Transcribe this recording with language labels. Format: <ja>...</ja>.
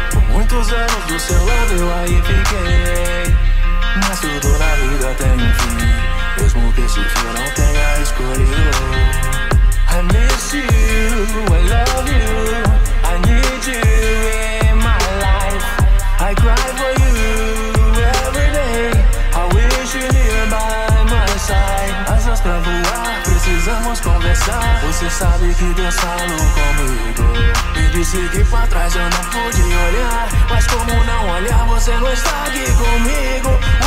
<pt>Por muitos anos do seu lado eu aí fiquei. Mas tudo na vida tem um fim. Mesmo que esse fim não tenha escolhido.</pt> <en>I miss you, I love you. I need you in my life. I cry for you every day. I wish you here by my side.</en> <pt>Asas pra voar. Precisamos conversar. Você sabe que Deus falou comigo. Me disse que pra trás eu não pude olhar. Mas como não olhar? Você não está aqui comigo.</pt>